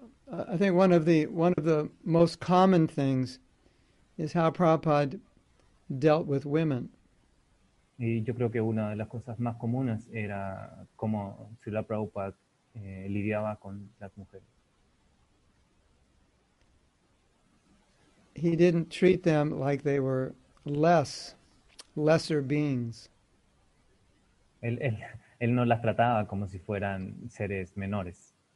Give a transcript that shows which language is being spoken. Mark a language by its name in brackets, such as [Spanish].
[English] I think one of the most common things is how Prabhupada dealt with women. [Spanish] Y yo creo que una de las cosas más comunes era cómo Srila Prabhupada lidiaba con las mujeres. [English] He didn't treat them like they were lesser beings. [Spanish] Él no las trataba como si fueran seres menores.